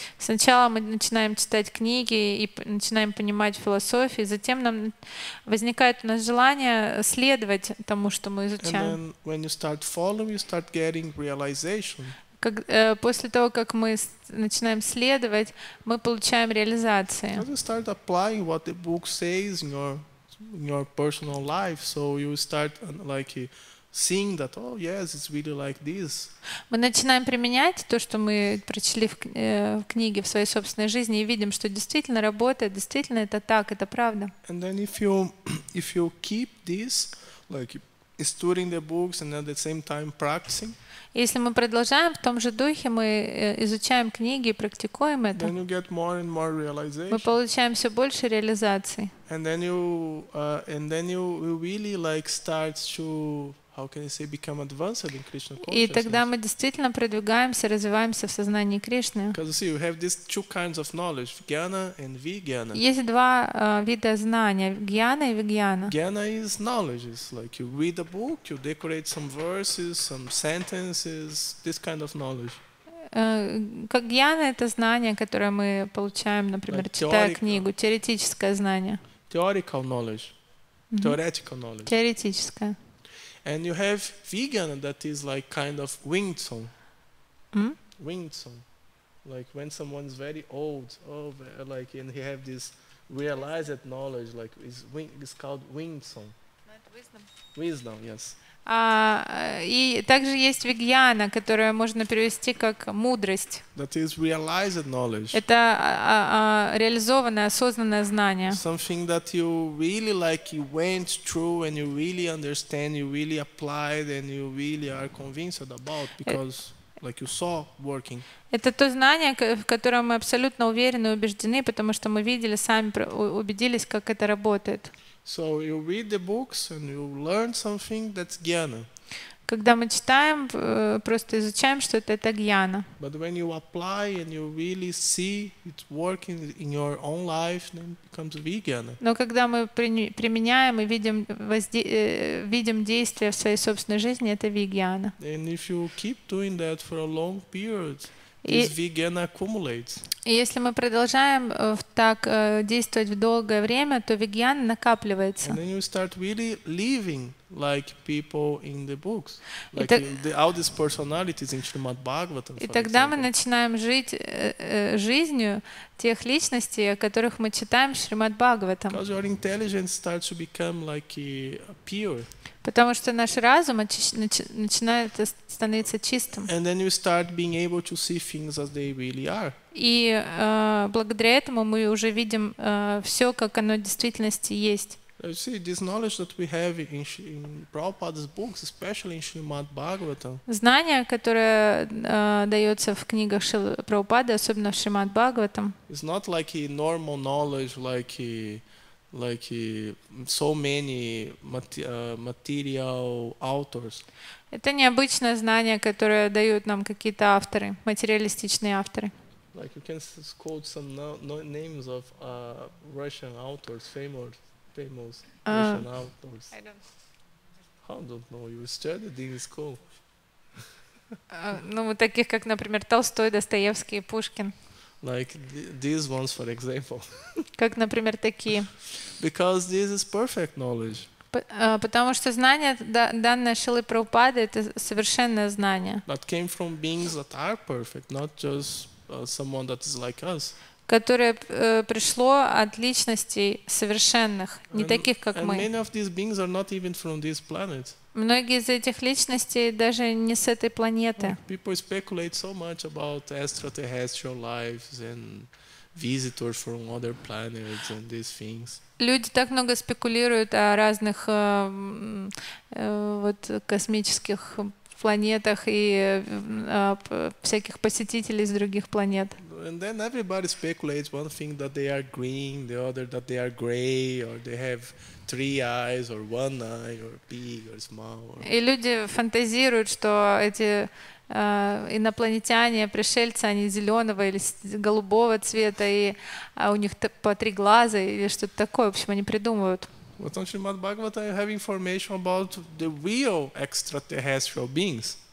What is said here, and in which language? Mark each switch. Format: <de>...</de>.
<ru>Сначала мы начинаем читать книги и начинаем понимать философию, затем нам возникает у нас желание следовать тому, что мы изучаем.</ru> <en>And then when you start following, you start getting realization.</en> <ru>Как, после того, как мы начинаем следовать, мы получаем реализации.</ru> <en>You start applying what the book says in your personal life, so you start like seeing that, oh yes, it's really like this.</en> <ru>Мы начинаем применять то, что мы прочли в книге в своей собственной жизни и видим, что действительно работает, действительно это так, это правда.</ru> <en>And then if you keep this like is studying the books and at the same time practicing.</en> <ru>Если мы продолжаем в том же духе, мы изучаем книги, практикуем это.</ru> <en>Then you get more and more realization.</en> <ru>Мы получаем все больше реализации.</ru> <en>And then you really like start to, how can I say, become advanced in Krishna consciousness.</en> <ru>И тогда мы действительно продвигаемся, развиваемся в сознании Кришны.</ru> <en>Because see, you have these two kinds of knowledge, jnana and vijnana.</en> <ru>Есть два вида знания, jnana и vijnana.</ru> <en>Jnana is knowledge, it's like you read a book, you decorate some verses, some sentences, this kind of knowledge.</en> <ru>Как jnana — это знание, которое мы получаем, например,</ru> <en>like</en> <ru>читая книгу, теоретическое знание.</ru> <en>Theoretical knowledge. Mm-hmm. Theoretical knowledge.</en> <ru>Теоретическое.</ru> <en>And you have vegan that is like kind of winged song. Mm? Winged song. Like when someone's very old, oh, like, and he have this realized knowledge, like it's called winged song. Not wisdom. Wisdom, yes.</en> <ru>И также есть vijnana, которое можно перевести как мудрость.</ru> <en>That is realized knowledge.</en> <ru>Это реализованное, осознанное знание.</ru> <en>Something that you really like, you went through and you really understand, you really applied and you really are convinced about, because like you saw working.</en> <ru>Это то знание, в котором мы абсолютно уверены и убеждены, потому что мы видели сами, убедились, как это работает.</ru> <en>So you read the books and you learn something, that's jnana.</en> <ru>Когда мы читаем, просто изучаем что-то, это jnana.</ru> <en>But when you apply and you really see it working in your own life, then it becomes vijnana.</en> <ru>Но когда мы применяем и видим действия в своей собственной жизни, это vijnana.</ru> <en>And if you keep doing that for a long period, this vijnana accumulates.</en> <ru>И если мы продолжаем так действовать в долгое время, то vijnana накапливается.</ru> <en>And then you start really living like people in the books, like all these personalities in Srimad Bhagavatam.</en> <ru>И тогда мы начинаем жить жизнью тех личностей, о которых мы читаем в Шримад Бхагаватам.</ru> <en>Because your intelligence starts to become like pure.</en> <ru>Потому что наш разум начинает становиться чистым.</ru> <en>And then you start being able to see things as they really are.</en> <ru>И благодаря этому мы уже видим все, как оно в действительности есть.</ru> <en>You see, this knowledge that we have in Prabhupada's books, especially in Srimad Bhagavatam.</en> <ru>Знание, которое дается в книгах Шрилы Прабхупады, особенно в Шримад Бхагаватам.</ru> <en>It's not like a normal knowledge, like so many material authors.</en> <ru>Это необычное знание, которое дают нам какие-то авторы, материалистичные авторы.</ru> <en>Like you can quote some names of Russian authors, famous Russian authors. I don't. How don't know? You studied in school.</en> <ru>Ну, таких как, например, Толстой, Достоевский, Пушкин.</ru> <en>Like these ones, for example.</en> <ru>Как, например, такие.</ru> <en>Because this is perfect knowledge.</en> <ru>Потому что знание, данное Шрилы Прабхупады, это совершенное знание.</ru> <en>That came from beings that are perfect, not just someone that is like us.</en> <ru>Которое пришло от личностей совершенных, не таких, как мы.</ru> <en>And many of these beings are not even from this planet.</en> <ru>Многие из этих личностей даже не с этой планеты.</ru> <en>People speculate so much about extraterrestrial lives and visitors from other planets and these things.</en> <ru>Люди так много спекулируют о разных вот космических планетах и всяких посетителей с других планет.</ru> <en>And then everybody speculates one thing that they are green, the other that they are gray, or they have three eyes, or one eye, or big, or small. Or...</en> <ru>И люди фантазируют, что эти инопланетяне, пришельцы, они зеленого или голубого цвета, и у них по три глаза или что-то такое. В общем, они придумывают.</ru> <en>But on Srimad Bhagavatam, you have information about the real extraterrestrial beings.</en>